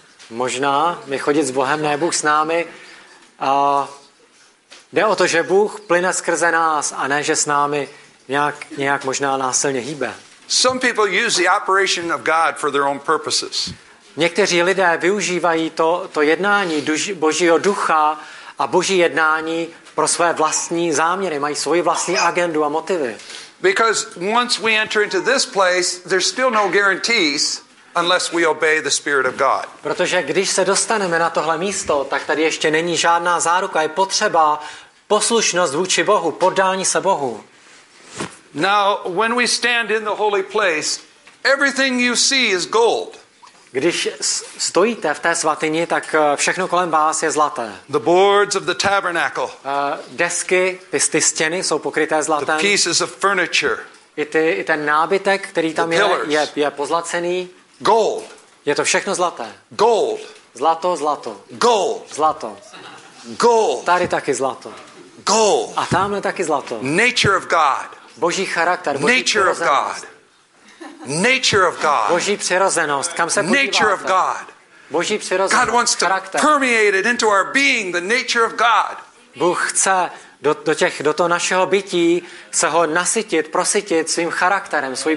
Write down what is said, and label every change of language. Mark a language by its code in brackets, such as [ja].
[cs] Možná my chodit s Bohem, ne Bůh s námi. A jde o to, že Bůh plyne skrze nás, a ne, že s námi nějak možná násilně hýbe. [en] Some people use the operation of God for their own purposes. [cs] Někteří lidé využívají to jednání Božího ducha a Boží jednání pro své vlastní záměry, mají svoji vlastní agendu a motivy. [en] Because once we enter into this place, there's still no guarantees unless we obey the spirit of God. [cs] Protože když se dostaneme na tohle místo, tak tady ještě není žádná záruka, je potřeba poslušnost vůči Bohu, poddání se Bohu. [en] Now, when we stand in the holy place, everything you see is gold. [cs] Když stojíte v té svatyni, tak všechno kolem vás je zlaté. [en] The boards of the tabernacle. [cs] Desky, ty stěny jsou pokryté zlatem. [en] The pieces of furniture. [cs] I ten nábytek, který tam je pozlacený. [en] Gold. [cs] Je to všechno zlaté. [en] Gold. [cs] Zlato. [en] Gold. [cs] Zlato. [en] Gold. [cs] Tady taky zlato. [en] Gold. [cs] A tamhle taky zlato. [en] Nature of God. [cs] Boží charakter, Boží [en] nature of God. Nature of God. [cs] Boží přirozenost. Kam se podíváte? [en] Nature of God. [cs] Boží přirozenost. [en] God wants to [cs] charakter. [en] Permeate it into our being, the nature of God. [cs] Bůh chce do toho našeho bytí se ho nasytit, prositit svým charakterem, svojí